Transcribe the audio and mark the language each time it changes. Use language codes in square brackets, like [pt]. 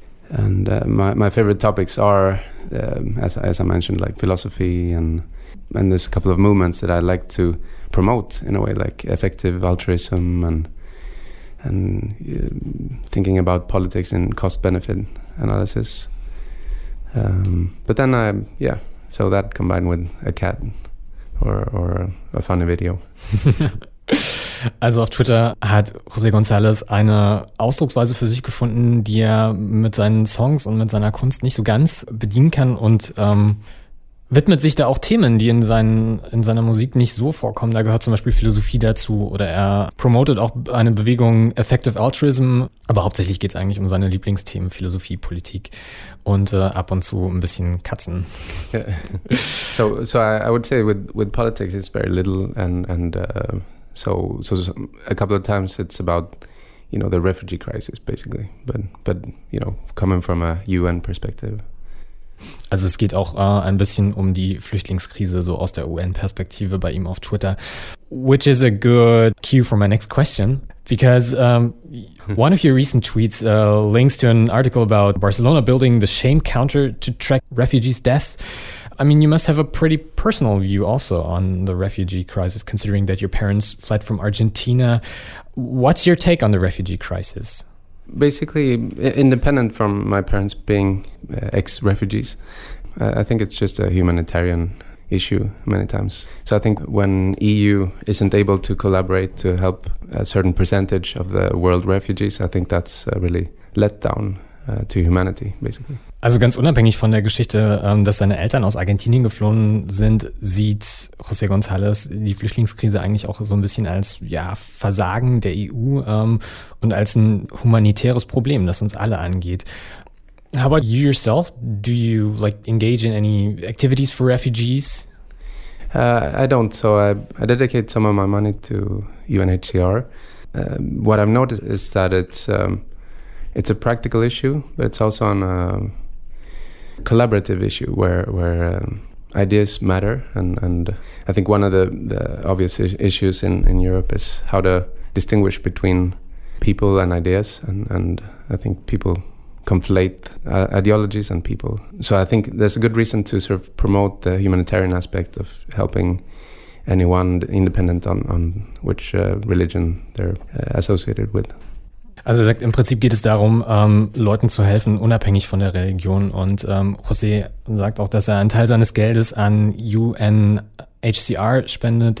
[en] and my favorite topics are, as I mentioned, like philosophy, and there's a couple of movements that I like to promote in a way, like effective altruism and thinking about politics and cost-benefit analysis. So that combined with a cat or a funny video. [de] Also auf Twitter hat José González eine Ausdrucksweise für sich gefunden, die er mit seinen Songs und mit seiner Kunst nicht so ganz bedienen kann, und widmet sich da auch Themen, die in seiner Musik nicht so vorkommen. Da gehört zum Beispiel Philosophie dazu, oder er promotet auch eine Bewegung Effective Altruism, aber hauptsächlich geht es eigentlich um seine Lieblingsthemen, Philosophie, Politik und ab und zu ein bisschen Katzen. [en] Yeah. So I would say with politics it's very little and so a couple of times it's about, you know, the refugee crisis basically, but you know, coming from a UN perspective. [de] Also es geht auch ein bisschen um die Flüchtlingskrise so aus der UN-Perspektive bei ihm auf Twitter, [en] which is a good cue for my next question, because one of your recent tweets links to an article about Barcelona building the shame counter to track refugees' deaths. I mean, you must have a pretty personal view also on the refugee crisis, considering that your parents fled from Argentina. What's your take on the refugee crisis? Basically, independent from my parents being ex-refugees, I think it's just a humanitarian issue many times. So I think when EU isn't able to collaborate to help a certain percentage of the world refugees, I think that's a really let down to humanity, basically. [de] Also ganz unabhängig von der Geschichte, dass seine Eltern aus Argentinien geflohen sind, sieht José González die Flüchtlingskrise eigentlich auch so ein bisschen als, ja, Versagen der EU und als ein humanitäres Problem, das uns alle angeht. [en] How about you yourself? Do you like engage in any activities for refugees? I don't. So I dedicate some of my money to UNHCR. What I've noticed is that it's a practical issue, but it's also on a collaborative issue where ideas matter, and I think one of the obvious issues in Europe is how to distinguish between people and ideas, and I think people conflate ideologies and people. So I think there's a good reason to sort of promote the humanitarian aspect of helping anyone independent on which religion they're associated with. [de] Also er sagt, im Prinzip geht es darum, Leuten zu helfen, unabhängig von der Religion. Und José sagt auch, dass er einen Teil seines Geldes an UNHCR spendet.